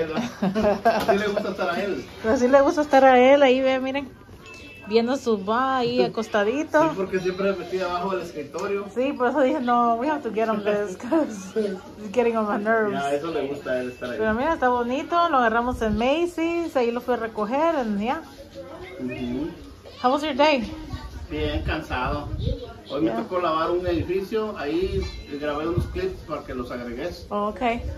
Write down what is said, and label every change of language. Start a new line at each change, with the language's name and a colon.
Spanish: él, ¿no? Así le gusta estar a él. Así le gusta estar a él, ahí ve, miren, viendo su va ahí acostadito. Sí, porque siempre metí abajo del escritorio. Sí, por eso dije, no,
English: we have to get on this, because it's getting on my nerves.
Spanish: Ya, eso le gusta a él estar ahí. Pero mira, está bonito, lo agarramos en Macy's, ahí lo fui a recoger,
English: and yeah. How was your day?
Spanish: Bien cansado. Hoy me tocó lavar un edificio, ahí grabé unos clips para que los agregues.
English: Oh, okay.